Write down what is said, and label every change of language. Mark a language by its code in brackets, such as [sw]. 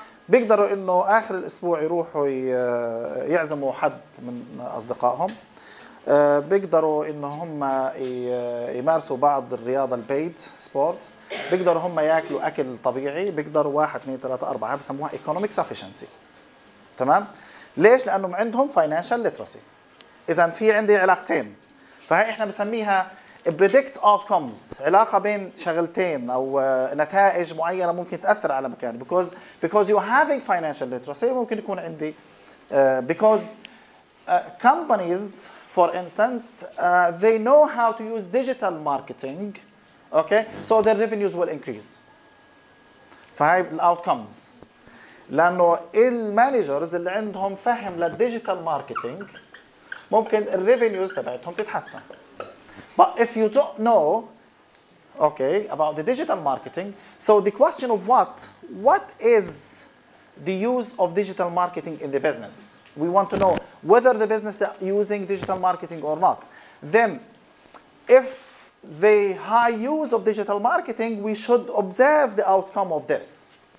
[ar] بيقدروا انه اخر الاسبوع يروحوا يعزموا حد من اصدقائهم، بيقدروا انه هم يمارسوا بعض الرياضه البيت سبورت، بيقدروا هم ياكلوا اكل طبيعي، بيقدروا 1 2 3 4 بسموها ايكونوميك سافيشنسي. تمام؟ ليش؟ لانهم عندهم فاينانشال ليتراسي. اذا في عندي علاقتين، فهي احنا بنسميها بريدكت اوتكمز، علاقه بين شغلتين او نتائج معينه ممكن تاثر على مكان. [en] بيكوز يو هافينج فاينانشال ليتراسي [ar] ممكن يكون عندي، [en] Because companies for instance they know how to use digital marketing, okay, so their revenues will increase. [ar] فهي الاوتكمز، لانه المانجرز اللي عندهم فهم للديجيتال ماركتينج ممكن الريفينيوز تبعتهم تتحسن. [en] But if you don't know, okay, about the digital marketing, so the question of what is the use of digital marketing in the business? We want to know whether the business is using digital marketing or not. Then, if the high use of digital marketing, we should observe the outcome of this.